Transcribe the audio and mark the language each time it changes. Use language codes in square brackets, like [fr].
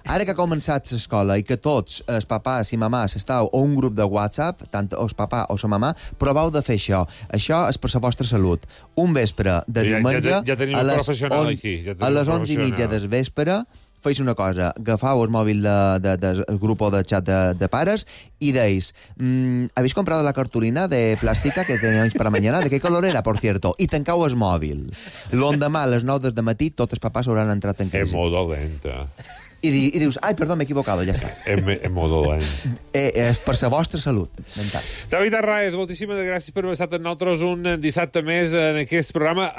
[ca] Ara que ha començat l'escola i que tots, els papàs i mamàs, estàu a un grup de WhatsApp, tant els papà o la mamà, provau de fer això. Això és per la vostra salut. Un vespre de diumenge... Ja tenim un professional aquí. A les 11:30 del vespre, feis una cosa, agafau el mòbil del grup o de chat de pares i deis, [es] ¿habéis comprado la cartulina de plástica que teníais para mañana? ¿De qué color era, por cierto? [ca] I tancau el mòbil. L'endemà, a les 9 del matí, tots els papàs hauran entrat en crisi. [es] En modo lenta. [ca] I dius, ai, perdó, m'he equivocado, ja està. [es] En modo lenta. [ca] És per la vostra salut mental. David Arraez, moltíssimes gràcies per haver estat amb nosaltres un dissabte més en aquest programa.